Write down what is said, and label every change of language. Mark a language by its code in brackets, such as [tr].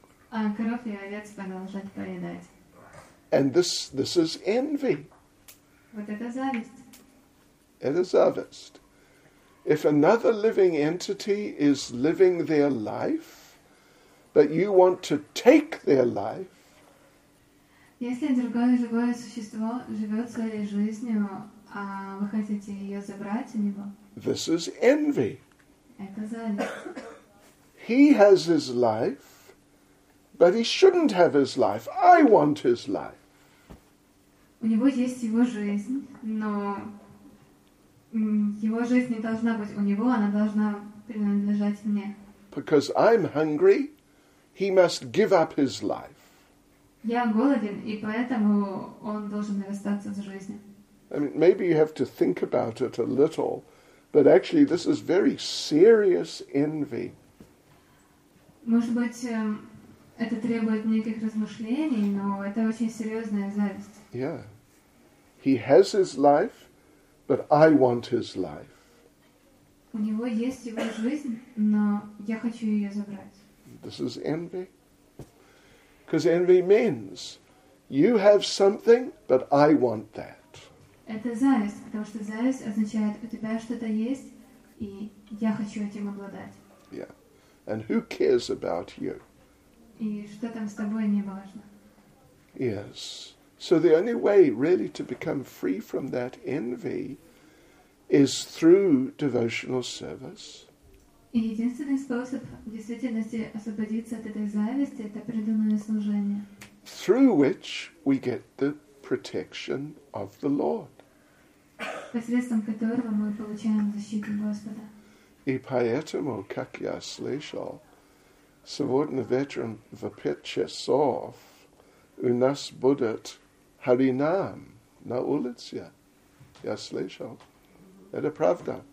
[en] And this is envy. [ru] Это зависть. [en] If another living entity is living their life, but you want to take their life, [ru] если другое живое существо живет своей жизнью, а вы хотите ее забрать у него, [en] this is envy. [ru] Это зависть. [en] He has his life, but he shouldn't have his life. I want his life. [ru] У него есть его жизнь, но его жизнь не должна быть у него, она должна принадлежать мне. [en] Because I'm hungry, he must give up his life. [ru] Я голоден, и поэтому он должен расстаться с жизнью. [en] I mean, maybe you have to think about it a little, but actually this is very serious envy. [ru] Может быть, это требует неких размышлений, но это очень серьезная зависть. [en] Yeah. He has his life, but I want his life. [ru] У него есть его жизнь, но я хочу ее забрать. [en] This is envy. Because envy means you have something, but I want that. [ru] Это зависть, потому что зависть означает, у тебя что-то есть, и я хочу этим обладать. [en] Yeah. And who cares about you? [ru] И что там с тобой, не важно. [en] Yes. So the only way really to become free from that envy is through devotional service. [ru] И единственный способ в действительности освободиться от этой зависти — это преданное служение. [en] Through which we get the protection of the Lord. [ru] Посредством которого мы получаем защиту Господа. И поэтому, как я слышал, сегодня вечером в 5 часов у нас будет Харинам на улице. Я слышал. Это правда?